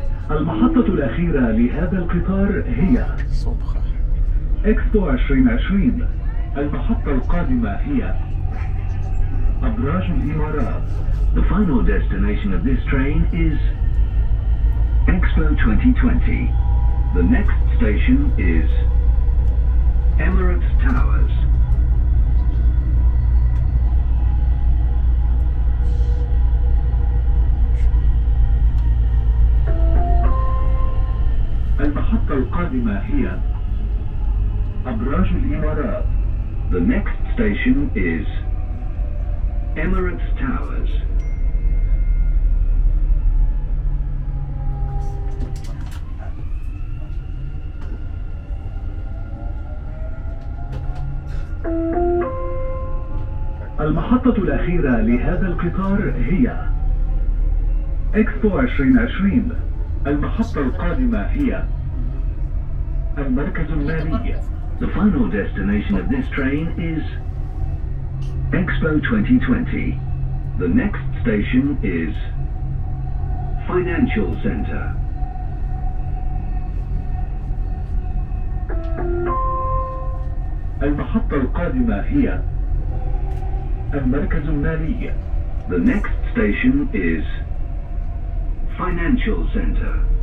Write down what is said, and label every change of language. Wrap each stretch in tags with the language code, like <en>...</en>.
<ar>المحطة الأخيرة لهذا القطار هي إكسبو 2020. المحطة القادمة هي أبراج الإمارات.</ar> <en>The final destination of this train is Expo 2020. The next station is Emirates Towers.</en> <ar>المحطة القادمة هي أبراج الإمارات.</ar> <en>The next station is Emirates Towers.</en> <ar>المحطة الأخيرة لهذا القطار هي إكسبو 2020. المحطة القادمة هي المركز المالي.</ar> <en>The final destination of this train is Expo 2020. The next station is Financial Center.</en> <ar>المحطة القادمة هي المركز المالي.</ar> <en>The next station is Financial Center.</en>